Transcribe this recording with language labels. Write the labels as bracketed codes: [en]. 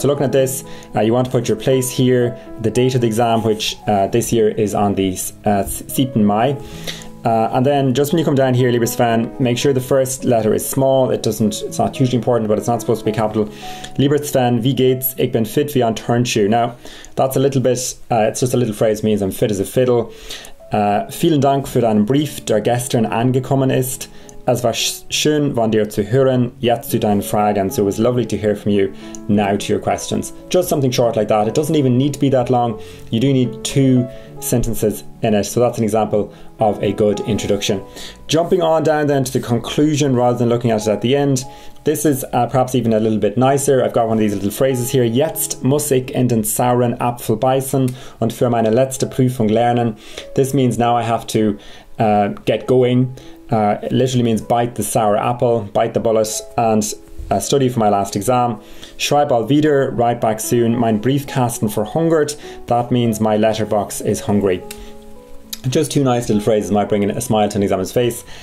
[en] So looking at this, you want to put your place here, the date of the exam, which this year is on the 7th May. And then just when you come down here, [de] Lieber Sven, [en] make sure the first letter is small. It's not hugely important, but it's not supposed to be capital. [de] Lieber Sven, wie geht's? Ich bin fit wie ein Turnschuh. [en] Now, that's a little bit, it's just a little phrase, means I'm fit as a fiddle. [de] Vielen Dank für deinen Brief, der gestern angekommen ist. Es war schön von dir zu hören, jetzt zu deinen Fragen. [en] So it was lovely to hear from you, now to your questions. Just something short like that. It doesn't even need to be that long. You do need 2 sentences in it. So that's an example of a good introduction. Jumping on down then to the conclusion rather than looking at it at the end. This is perhaps even a little bit nicer. I've got one of these little phrases here. [de] Jetzt muss ich in den sauren Apfel beißen und für meine letzte Prüfung lernen. [en] This means now I have to get going. It literally means bite the sour apple, bite the bullet, and study for my last exam. [de] Schreib bald wieder, [en] write back soon. [de] Mein Briefkasten verhungert. [en] That means my letterbox is hungry. Just 2 nice little phrases might bring in a smile to an examiner's face.